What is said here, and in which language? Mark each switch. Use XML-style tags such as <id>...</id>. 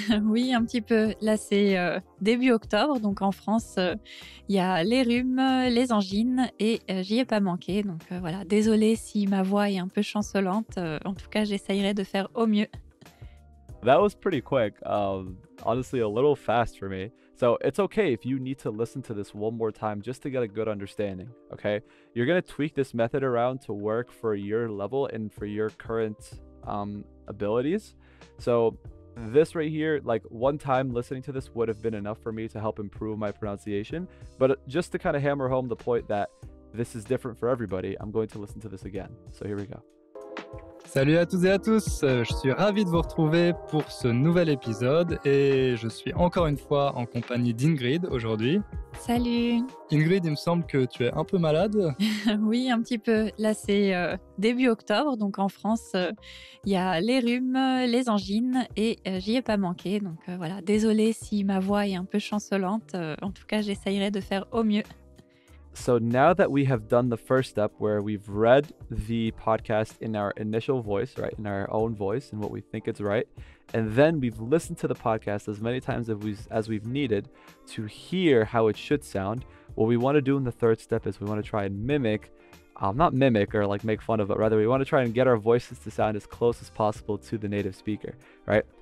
<fr>Oui, un petit peu. Là, c'est début octobre, donc en France, il y a les rhumes, les angines et j'y ai pas manqué. Donc voilà, désolée si ma voix est un peu chancelante. En tout cas, j'essaierai de faire au mieux.</fr> <en>That was pretty quick. Honestly, a little fast for me. So it's okay if you need to listen to this one more time just to get a good understanding, okay? You're going to tweak this method around to work for your level and for your current abilities. So this right here, like one time listening to this would have been enough for me to help improve my pronunciation. But just to kind of hammer home the point that this is different for everybody, I'm going to listen to this again. So here we go.</en> <fr>Salut à toutes et à tous, je suis ravi de vous retrouver pour ce nouvel épisode et je suis encore une fois en compagnie d'Ingrid aujourd'hui. Salut. Ingrid, il me semble que tu es un peu malade. Oui, un petit peu. Là, c'est début octobre, donc en France, il y a les rhumes, les angines et j'y ai pas manqué. Donc voilà, désolée si ma voix est un peu chancelante, en tout cas, j'essaierai de faire au mieux.</fr> <en>So now that we have done the first step where we've read the podcast in our initial voice, right, in our own voice and what we think is right, and then we've listened to the podcast as many times as we've needed to hear how it should sound, what we want to do in the third step is we want to try and mimic, not mimic or like make fun of, but rather we want to try and get our voices to sound as close as possible to the native speaker, right?</en>